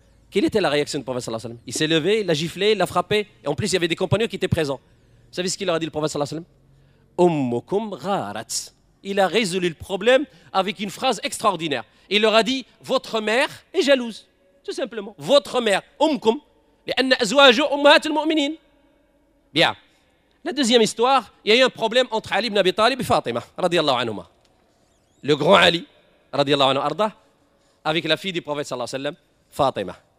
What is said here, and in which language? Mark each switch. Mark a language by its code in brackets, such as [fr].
[fr] Quelle était la réaction du prophète, sallallahu alayhi wa sallam? Il s'est levé, il l'a giflé, il l'a frappé. Et en plus, il y avait des compagnons qui étaient présents. Vous savez ce qu'il leur a dit le prophète, sallallahu alayhi wa sallam? [ar] Ummukum gharat. [fr] Il a résolu le problème avec une phrase extraordinaire. Il leur a dit: votre mère est jalouse, tout simplement. Votre mère, [ar] ummukum, لأن أزواجه أمهات المؤمنين. [fr] Bien. La deuxième histoire, il y a eu un problème entre Ali ibn Abi Talib et Fatima radiyallahu anhuma. Le grand Ali radiyallahu anhu arda avec la fille du prophète sallallahu alayhi wa sallam, Fatima.